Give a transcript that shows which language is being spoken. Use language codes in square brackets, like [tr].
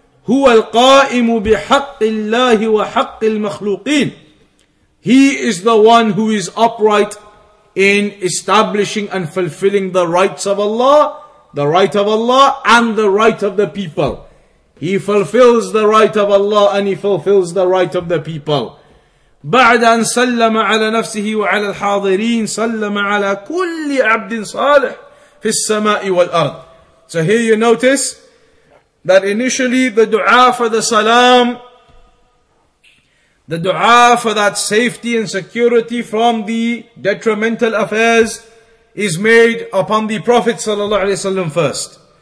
[ar] هو القائم بحق الله وحق المخلوقين. [en] He is the one who is upright in establishing and fulfilling the rights of Allah, the right of Allah and the right of the people. He fulfills the right of Allah and he fulfills the right of the people. [ar] بعد أن سلم على نفسه وعلى الحاضرين سلم على كل عبد صالح في السماء والأرض. [en] So here you notice that initially the dua for the salam, the dua for that safety and security from the detrimental affairs is made upon the Prophet sallallahu alaihi wasallam first.